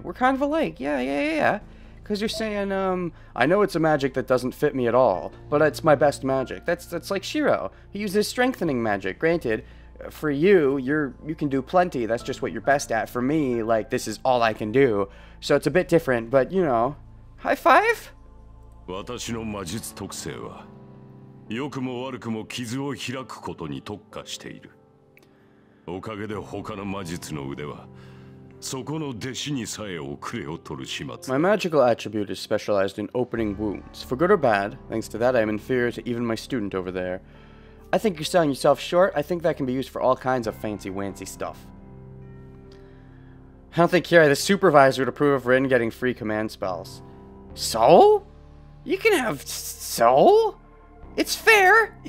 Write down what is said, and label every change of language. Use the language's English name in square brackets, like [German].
[English] We're kind of alike, yeah. Because you're saying, I know it's a magic that doesn't fit me at all, but it's my best magic. That's like Shiro. He uses strengthening magic. Granted, for you, you can do plenty. That's just what you're best at. For me, like, this is all I can do. So it's a bit different, but, you know. High five? [Japanese] 私の魔術特性は良くも悪くも傷を開くことに特化している。おかげで他の魔術の腕は、そこの弟子にさえ遅れを取る始末。 [English] My magical attribute is specialized in opening wounds. For good or bad, thanks to that I am inferior to even my student over there. I think you're selling yourself short. I think that can be used for all kinds of fancy-wancy stuff. I don't think Kira, the supervisor, would approve of Rin getting free command spells. So? You can have so? It's fair.